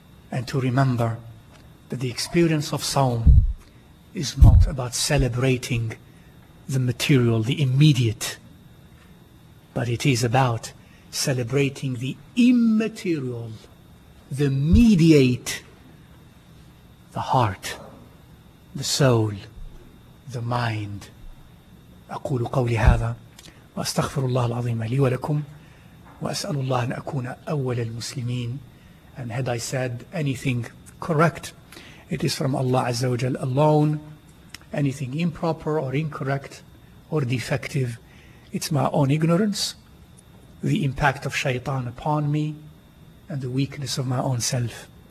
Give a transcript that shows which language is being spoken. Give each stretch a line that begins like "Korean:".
English: and to remember that the experience of Sawm is not about celebrating the material, the immediate, but it is about celebrating the immaterial, the mediate, the heart, the soul, the mind.
Arabic: أقول قولي هذا وأستغفر الله العظيم لي ولكم وأسأل الله أن أكون أول المسلمين.
English: And had I said anything correct It is from Allah Azza wa Jal alone. Anything improper or incorrect or defective, it's my own ignorance, the impact of shaitan upon me, and the weakness of my own self.